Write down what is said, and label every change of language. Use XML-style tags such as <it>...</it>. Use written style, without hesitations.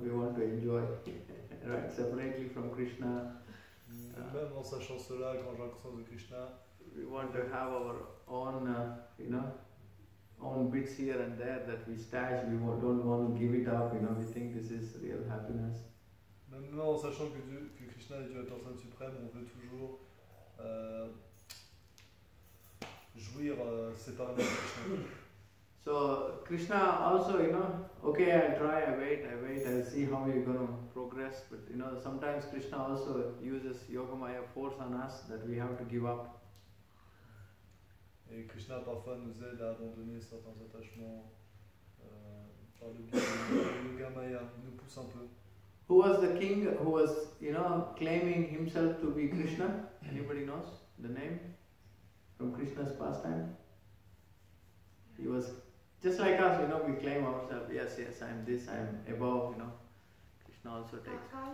<en>We want to enjoy, right? Separately from Krishna.</en> <fr>Même en sachant cela, quand j'ai conscience de Krishna,</fr> <en>we want to have our own, you know, own bits here and there that we stash. We don't want to give it up. You know, we think this is real happiness.</en> <fr>Même en sachant que, que Krishna est Dieu la personne suprême, on veut toujours jouir séparément de Krishna.</fr> <en>So Krishna also, you know, okay, I wait, I'll see how you're going to progress. But, you know, sometimes Krishna also uses yogamaya force on us that we have to give up.</en> <fr>Et Krishna parfois nous aide à abandonner certains attachements par le yogamaya, nous pousse un peu.</fr> <en>Who was the king who was, you know, claiming himself to be Krishna? Anybody knows the name from Krishna's pastime? He was... Just like us, you know, we claim ourselves, yes, I am this, I am above, you know. Krishna also takes...</en>